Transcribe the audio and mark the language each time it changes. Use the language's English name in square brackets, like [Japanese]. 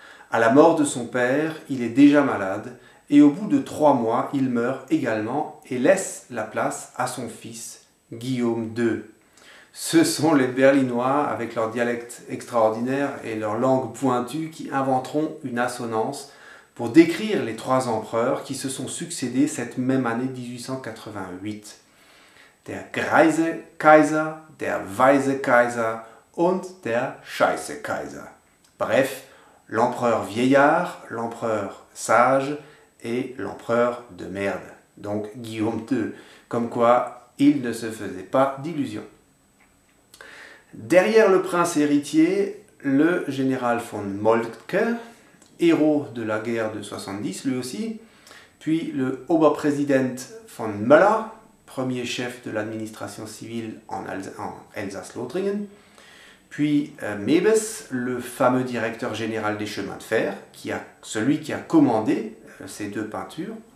[French] À la mort de son père, il est déjà malade, et au bout de 3 mois, il meurt également et laisse la place à son fils, Guillaume II. Ce sont les Berlinois, avec leur dialecte extraordinaire et leur langue pointue, qui inventeront une assonance pour décrire les 3 empereurs qui se sont succédés cette même année 1888. [German] Der Greise Kaiser, der Weise Kaiser und der Scheiße Kaiser. [French] Bref, l'empereur vieillard, l'empereur sage et l'empereur de merde. Donc Guillaume II, comme quoi il ne se faisait pas d'illusions. Derrière le prince héritier, le général von Moltke, héros de la guerre de 70 lui aussi, puis le Oberpräsident von Möller, premier chef de l'administration civile en Elsace-Lothringen, puis Mebes, le fameux directeur général des chemins de fer, celui qui a commandé ces 2 peintures,